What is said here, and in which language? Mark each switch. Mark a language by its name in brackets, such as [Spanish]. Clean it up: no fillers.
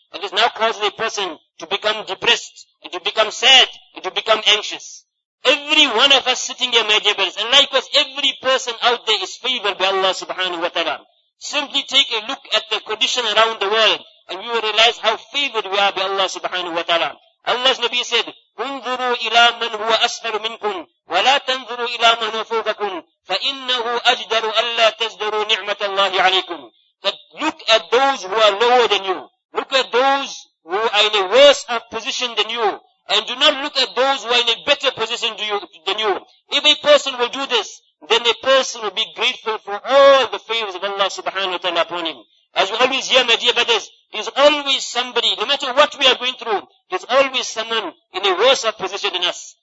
[English] And this now causes a person to become depressed, and to become sad, and to become anxious. Every one of us sitting here, my dear brothers, and likewise, every person out there is favored by Allah subhanahu wa ta'ala. Simply take a look at the condition around the world, and you will realize how favored we are by Allah subhanahu wa ta'ala. Allah's Nabi said, [Arabic] انظروا إلى من هو أسفل منكم ولا تنظروا إلى من هو فوقكم فإنه أجدر ألا تزدروا نعمة الله عليكم. [English] That look at those who are lower than you. Look at those who are in a worse off position than you. And do not look at those who are in a better position than you. If a person will do this, then a person will be grateful for Allah subhanahu wa ta'ala upon him. As we always hear, my dear brothers, there's always somebody, no matter what we are going through, there's always someone in a worse position than us.